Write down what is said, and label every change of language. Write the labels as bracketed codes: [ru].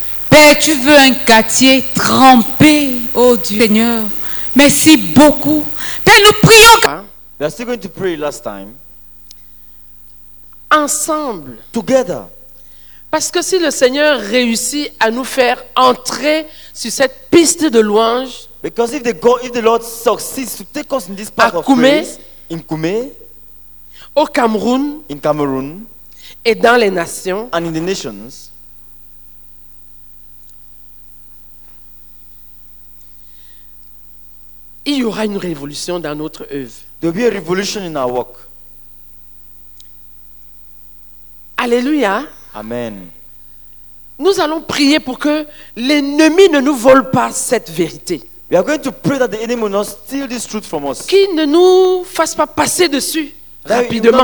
[fr] Père, tu veux un quartier trempé, oh Dieu, Seigneur. Merci beaucoup. Père, nous prions. [en] We are still going to pray last time. [fr] Ensemble. [en] Together. [fr] Parce que si le Seigneur réussit à nous faire entrer sur cette piste de louange, [en] because if the God, if the Lord succeeds to take us in this path [fr] à Koumé, [en] of praise, in Koumé, [fr] au Cameroun, [en] in Cameroun, [fr] et dans les nations, [en] and in the nations, [fr] il y aura une révolution dans notre œuvre. [en] There will be a revolution in our work. Alléluia. Amen. [fr] Nous allons prier pour que l'ennemi ne nous vole pas cette vérité. [en] We are going to pray that the enemy will not steal this truth from us. [fr] Qu'il ne nous fasse pas passer dessus rapidement.